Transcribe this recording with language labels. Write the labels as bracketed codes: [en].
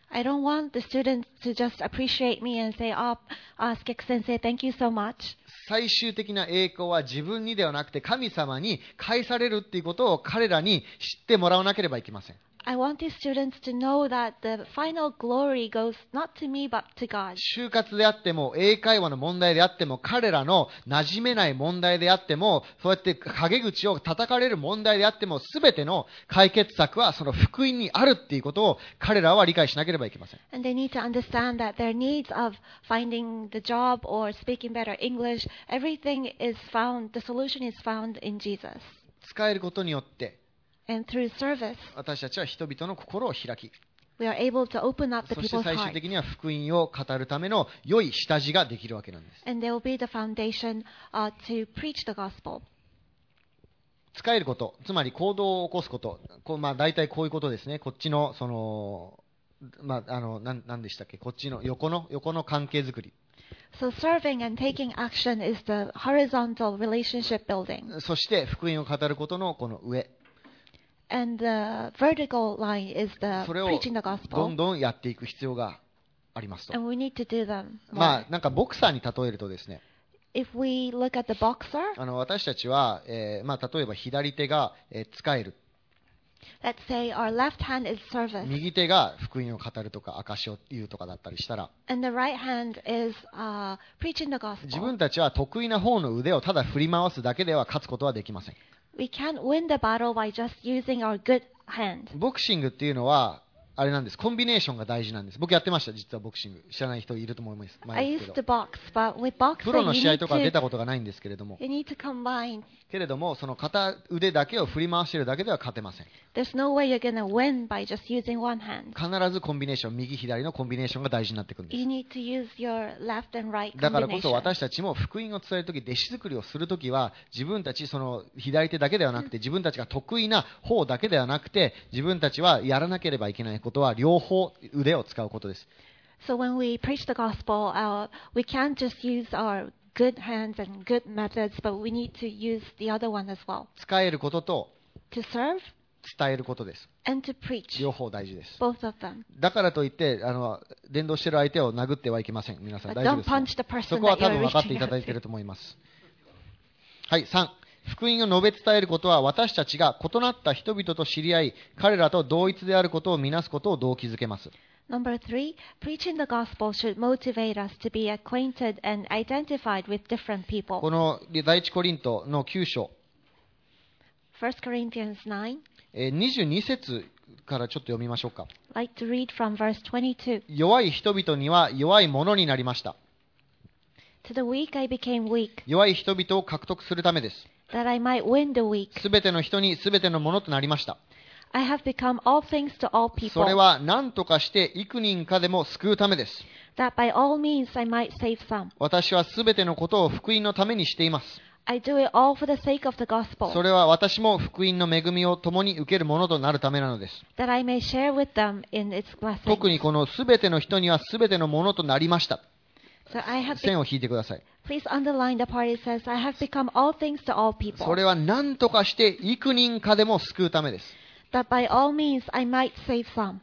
[en] I don't want the students to just appreciate me and say, ah, スケック先生、thank you so much. [ja] 最終的な栄光は自分にではなくて神様に返されるっていうことを彼らに知ってもらわなければいけません。 [en] I want the students to know that the final glory goes not to me but to God. [ja] 就活であっても英会話の問題であっても彼らの馴染めない問題であっても、そうやって陰口を叩かれる問題であっても、すべての解決策はその福音にあるっていうことを彼らは理解しなければいけません。 [en] And they need to understand that their needs of finding the job or speaking better English, everything is found, the solution is found in Jesus. [ja] 使えることによって [en] And through service, [ja] 私たちは人々の心を開き、 [en] we are able to open up the [ja] そして最終的には福音を語るための良い下地ができるわけなんです。 [en] And there will be the foundation, to preach the gospel. [ja] 使えること、つまり行動を起こすこと、まあ、大体こういうことですね。こっちの、その、まあ、あの、何でしたっけ、こっちの横の関係づくり。 [en] So serving and taking action is the horizontal relationship building. [ja] そして福音を語ることのこの上、 [en] And the vertical line is the preaching the gospel. [ja] どんどんやっていく必要がありますと。 [en] And we need to do them. [ja] まあなんかボクサーに例えるとですね。 [en] If we look at the boxer, [ja] 私たちは、まあ例えば左手が、使える。 [en] Let's say our left hand is service. [ja] 右手が福音を語るとか証を言うとかだったりしたら。 [en] And the right hand is, preaching the gospel. [ja] 自分たちは得意な方の腕をただ振り回すだけでは勝つことはできません。 [en] We can't win the battle by just using our good hand. [ja] ボクシングっていうのはあれなんです。コンビネーションが大事なんです。僕やってました、実はボクシング。知らない人いると思いますけど。 [en] I used to box, but with boxing, [ja] プロの試合とか出たことがないんですけれども。 [en] You need to combine. [ja] けれども、その片腕だけを振り回しているだけでは勝てません。 [en] There's no way you're gonna win by just using one hand. [ja] 必ずコンビネーション、右左のコンビネーションが大事になってくるんです。 [en] You need to use your left and right combination. [ja] だからこそ私たちも福音を伝えるとき、弟子作りをするときは、自分たちその左手だけではなくて、自分たちが得意な方だけではなくて、自分たちはやらなければいけない。ことは両方腕を使うことです。 [en] So when we preach the gospel, we can't just use our good hands and good methods, but we need to use the other one as well. [ja] 使えることと [en] to serve, [ja] 伝えることです。 [en] And to preach, [ja] 両方大事です。 [en] Both of them. [ja] だからといって伝道している相手を殴ってはいけません。皆さん大丈夫です。 [en] Don't punch the person that you're reaching out to. [ja] そこは多分分かっていただいていると思います。はい、3。福音を述べ伝えることは私たちが異なった人々と知り合い、彼らと同一であることをみなすことを動機づけます。 [en] Number three, preaching the gospel should motivate us to be acquainted and identified with different people. [ja] この第一コリントの9章。 [en] First Corinthians 9. [ja] 22節からちょっと読みましょうか。 [en] Like to read from verse 22. [ja] 弱い人々には弱いものになりました。 [en] To the weak, I became weak. [ja] 弱い人々を獲得するためです。 [en] That I might win the weak. [ja] すべての人にすべてのものとなりました。 [en] I have become all things to all people. [ja] それは何とかして幾人かでも救うためです。 [en] That by all means I might save some. [ja] 私はすべてのことを福音のためにしています。 [en] I do it all for the sake of the gospel. [ja] それは私も福音の恵みを共に受けるものとなるためなのです。 [en] That I may share with them in its blessings. [ja] 特にこのすべての人にはすべてのものとなりました。 [en] So、I have [ja] 線を引いてください。 [en] Please underline the part it says, I have become all things to all people. [ja] それは何とかして幾人かでも救うためです。 [en] That by all means I might save some.